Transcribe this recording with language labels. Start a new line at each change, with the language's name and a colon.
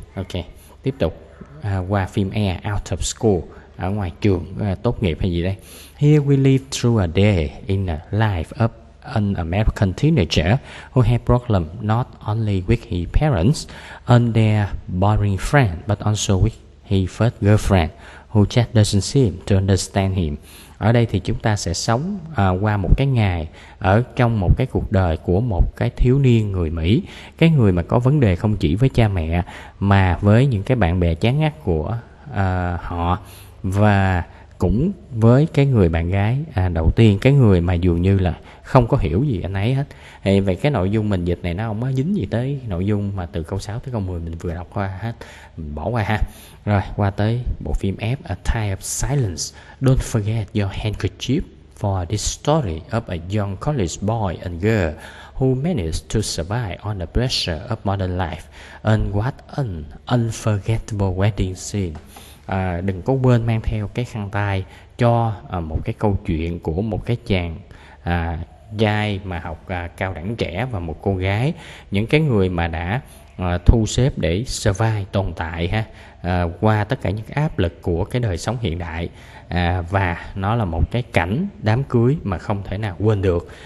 Vietnamese: Ok, tiếp tục qua phim Air, out of school, ở ngoài trường tốt nghiệp hay gì đây.
English: Here we live through a day in the life of an American teenager who had problems not only with his parents and their boring friend, but also with his first girlfriend, who just doesn't seem to understand him.
Vietnamese: Ở đây thì chúng ta sẽ sống qua một cái ngày ở trong một cái cuộc đời của một cái thiếu niên người Mỹ, cái người mà có vấn đề không chỉ với cha mẹ mà với những cái bạn bè chán ngắt của họ, và cũng với cái người bạn gái đầu tiên, cái người mà dường như là không có hiểu gì anh ấy hết. Thì vậy cái nội dung mình dịch này nó không có dính gì tới nội dung mà từ câu 6 tới câu 10 mình vừa đọc qua hết, mình bỏ qua ha. Rồi qua tới bộ phim F, A Time of Silence.
English: Don't forget your handkerchief for this story of a young college boy and girl who managed to survive on the pressure of modern life and what an unforgettable wedding scene.
Vietnamese: Đừng có quên mang theo cái khăn tay cho một cái câu chuyện của một cái chàng trai mà học cao đẳng trẻ và một cô gái, những cái người mà đã thu xếp để survive, tồn tại ha, qua tất cả những áp lực của cái đời sống hiện đại, và nó là một cái cảnh đám cưới mà không thể nào quên được.